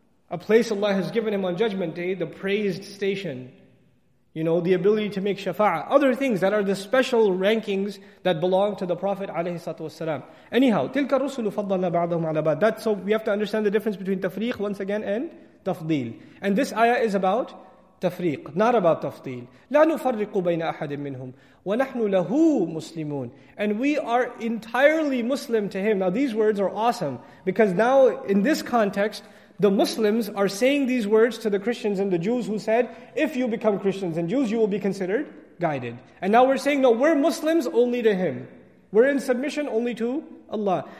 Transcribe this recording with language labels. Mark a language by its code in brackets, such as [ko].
[en] A place Allah has given him on Judgment Day, the praised station. You know, the ability to make shafa'ah. Other things that are the special rankings that belong to the Prophet والسلام. Anyhow, [ar] tilka rusulu faddalna ba'dahum ala ba'd. [en] So we have to understand the difference between tafriq once again and tafdeel. And this ayah is about tafriq, not about tafdeel. [ar] لا نفرق بين أحد منهم ونحن له مسلمون. [en] And we are entirely Muslim to him. Now these words are awesome, because now in this context, the Muslims are saying these words to the Christians and the Jews who said, if you become Christians and Jews, you will be considered guided. And now we're saying, no, we're Muslims only to him. We're in submission only to Allah.